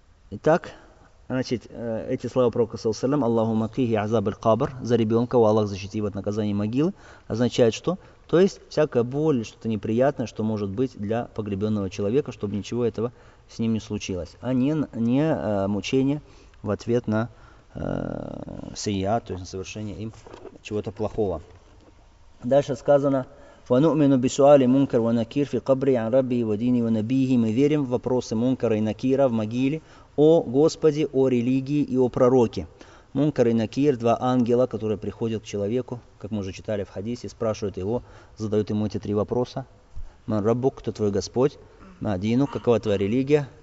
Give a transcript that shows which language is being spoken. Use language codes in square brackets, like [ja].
[ru] Итак, значит, эти слова Пророка саллаллаху алейхи ва саллям, [ar] Аллаху макхи азаб аль-кабр, [ru] за ребенка, у Аллах защити его от наказания могилы, означает что? То есть всякая боль, что-то неприятное, что может быть для погребенного человека, чтобы ничего этого с ним не случилось, а не мучение в ответ на сия, то есть на совершение им чего-то плохого. Дальше сказано: [ar] وَنُؤْمِنُ بِسُؤَالِ مُنْكَرِ وَنَكِيرِ فِي قَبْرِ عَنْ رَبِّهِ وَدِينِهِ وَنَبِيِّهِ. [ru] Мы верим в вопросы мункара и накира в могиле о Господе, о религии и о пророке. Мункар и накир – два ангела, которые приходят к человеку, как мы уже читали в хадисе, спрашивают его, задают ему эти три вопроса. [ar] «Ман раббук» [ru] – кто твой Господь? [ar] «Ман дину» [ru] – какова твоя религия?